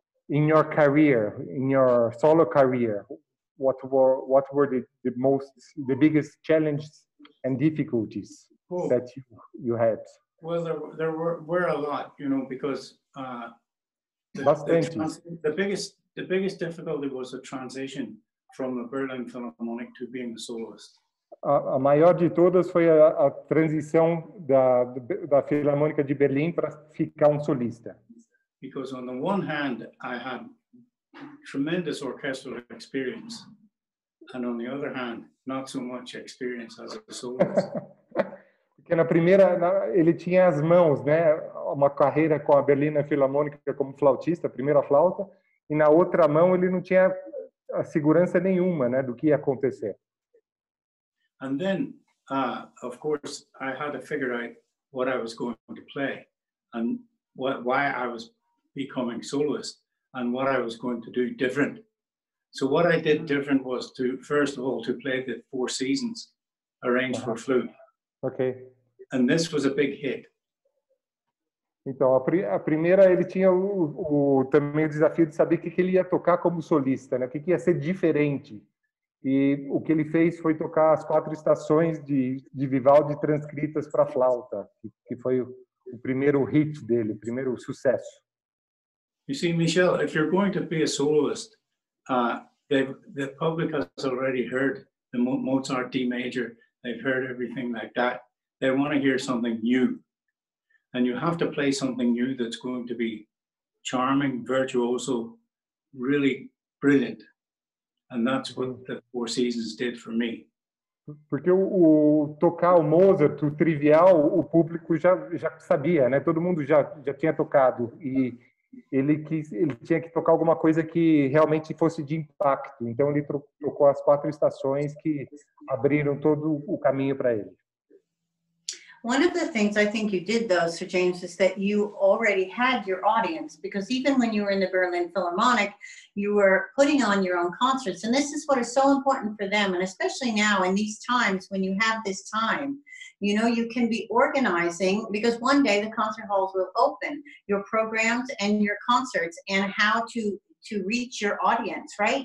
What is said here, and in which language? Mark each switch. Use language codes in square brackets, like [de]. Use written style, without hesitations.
[en] in your career, in your solo career. What were the biggest challenges and difficulties that you had? Well, there were a lot, you know, because the biggest difficulty was the transition from the Berlin Philharmonic to being a soloist. [pt] A maior de todas foi a transição da Filarmônica de Berlim para ficar solista. [en] Because on the one hand, I had tremendous orchestral experience, and on the other hand, not so much experience as a soloist. [pt] Porque na primeira, ele tinha as mãos, né? Uma carreira com a Berlina Filarmônica como flautista, primeira flauta, e na outra mão ele não tinha a segurança nenhuma, né, do que ia acontecer. [en] And then, of course, I had to figure out what I was going to play and why I was becoming soloist and what I was going to do different. So what I did different was to, first of all, to play the Four Seasons arranged for flute. Okay. And this was a big hit. [pt] Então, a primeira, ele tinha também o desafio de saber o que ele ia tocar como solista, né? O que ia ser diferente. E o que ele fez foi tocar as quatro estações de Vivaldi transcritas para flauta, que foi o primeiro hit dele, o primeiro sucesso. [en] You see, Michel, if you're going to be a soloist, the public has already heard the Mozart D major. They've heard everything like that. They want to hear something new. And you have to play something new that's going to be charming, virtuoso, really brilliant. And that's what the Four Seasons did for me. [pt] Porque o tocar o Mozart, o trivial, o público já sabia, né? Todo mundo já tinha tocado. E ele tinha que tocar alguma coisa que realmente fosse de impacto. Então ele tocou as quatro estações que abriram todo o caminho para ele. [en] One of the things I think you did, though, Sir James, is that you already had your audience, because even when you were in the Berlin Philharmonic, you were putting on your own concerts. And this is what is so important for them, and especially now in these times when you have this time. You know, you can be organizing, because one day the concert halls will open, your programs and your concerts, and how to reach your audience, right?